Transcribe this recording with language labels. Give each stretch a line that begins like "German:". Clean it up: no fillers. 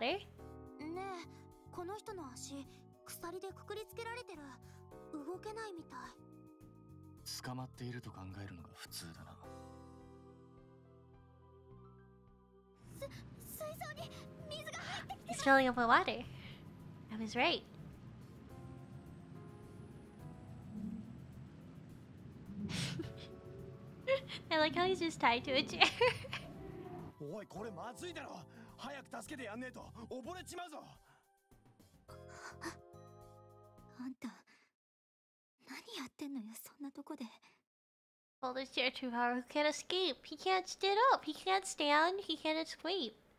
Japanese: ねえ、この人の足、鎖でくくりつけられてる。動けないみたい。捕まっていると考えるのが普通だな。水槽に水が入ってきてる。
English: It's filling up with water. I was right. I like how he's just tied to a chair.
Japanese: おい、これまずいだろ。早く助けてやんねえと溺れちまうぞ。あんた何やってんのよ、そんなとこで。
English: Well, this chair too hard. He can't escape. He can't sit up. He can't stand. He can't escape.